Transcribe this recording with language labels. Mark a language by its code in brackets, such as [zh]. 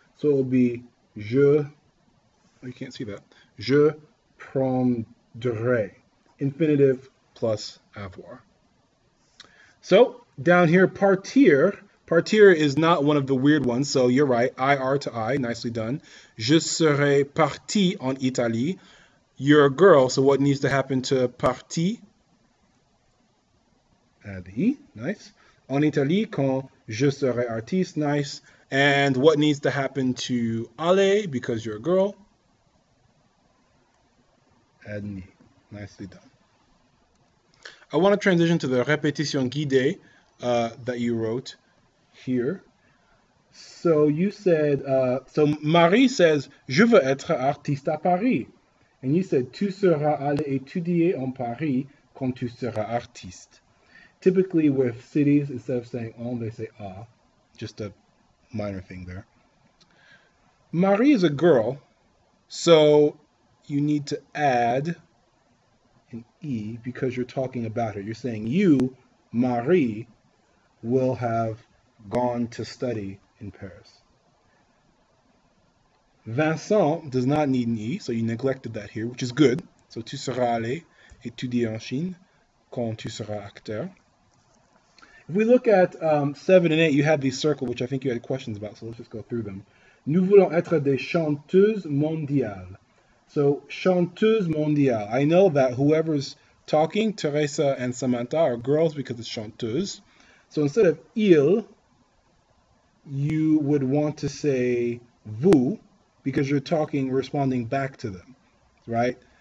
[en] So it'll be je. You can't see that. [fr] Je prendrai. [en] Infinitive plus [fr] avoir. [en] So down here, partir. Partir is not one of the weird ones. So you're right. IR to I. Nicely done. [fr] Je serai parti en Italie. [en] You're a girl. So what needs to happen to parti? Add the E. Nice. [fr] En Italie, quand je serai artiste. [en] Nice. And what needs to happen to aller because you're a girl? Add me. Nicely done. I want to transition to the répétition guidée that you wrote here. So you said, so Marie says, [fr] je veux être artiste à Paris. [en] And you said, [fr] tu seras allé étudier en Paris quand tu seras artiste. [en] Typically, with cities, instead of saying on, they say ah. Just a minor thing there. Marie is a girl, so you need to add an E because you're talking about her. You're saying you, Marie, will have gone to study in Paris. Vincent does not need ni, so you neglected that here, which is good. [fr] So tu seras allé étudier en Chine quand tu seras acteur. [en] If we look at 7 and 8, you have these circles, which I think you had questions about, so let's just go through them. [fr] Nous voulons être des chanteuses mondiales. So, chanteuse mondiale. [en] I know that whoever's talking, Teresa and Samantha, are girls because it's chanteuse. So instead of il, you would want to say vous, because you're talking, responding back to them, right?